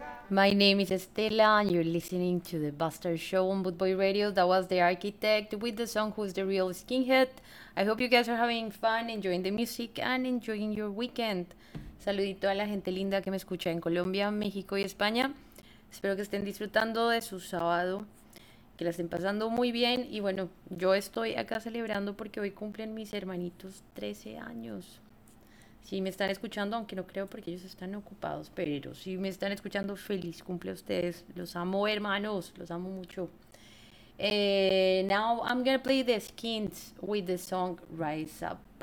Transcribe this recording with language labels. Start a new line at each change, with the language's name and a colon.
English: My name is Stella, and you're listening to the Bastard Show on Bootboy Radio. That was The Architect with the song Who's the Real Skinhead. I hope you guys are having fun, enjoying the music, and enjoying your weekend.
Spanish: Saludito a la gente linda que me escucha en Colombia, México y España. Espero que estén disfrutando de su sábado, que la estén pasando muy bien. Y bueno, yo estoy acá celebrando porque hoy cumplen mis hermanitos 13 años. Si me están escuchando, aunque no creo porque ellos están ocupados, pero si me están escuchando, feliz cumple a ustedes. Los amo, hermanos. Los amo mucho.
English: Now I'm gonna play The Skins with the song Rise Up.